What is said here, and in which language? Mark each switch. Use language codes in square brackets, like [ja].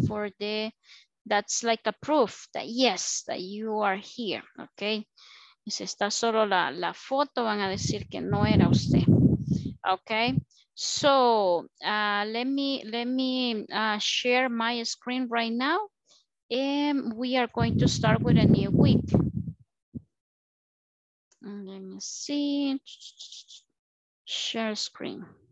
[en] For the, that's like a proof that yes, that you are here. Okay. [es] Y si está solo la foto, van a decir que no era usted. Okay. [en] So let me share my screen right now, and we are going to start with a new week. Let me see, share screen.